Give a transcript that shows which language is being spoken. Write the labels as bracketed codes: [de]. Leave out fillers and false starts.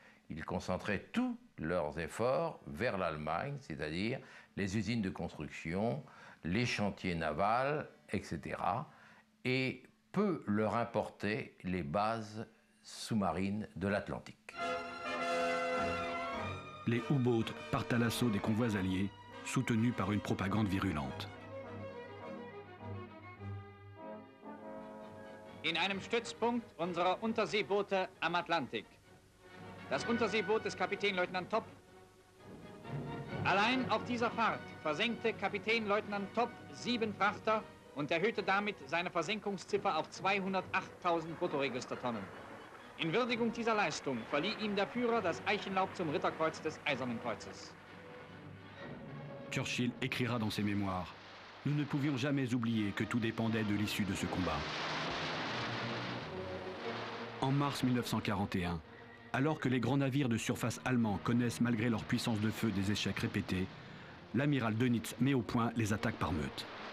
[fr] Ils concentraient tous leurs efforts vers l'Allemagne, c'est-à-dire les usines de construction, les chantiers navals, etc. Et peu leur importaient les bases sous-marines de l'Atlantique. Les U-boats partent à l'assaut des convois alliés, soutenus par une propagande virulente. [de] In einem Stützpunkt unserer Unterseeboote am Atlantik. Das Unterseeboot des Kapitänleutnant Topp. Allein auf dieser Fahrt versenkte Kapitänleutnant Topp 7 Frachter und erhöhte damit seine Versenkungsziffer auf 208.000 Bruttoregistertonnen. In Würdigung dieser Leistung verlieh ihm der Führer das Eichenlaub zum Ritterkreuz des Eisernen Kreuzes. [fr] Churchill écrira dans ses mémoires: Nous ne pouvions jamais oublier que tout dépendait de l'issue de ce combat. En mars 1941, alors que les grands navires de surface allemands connaissent malgré leur puissance de feu des échecs répétés, l'amiral Dönitz met au point les attaques par meute.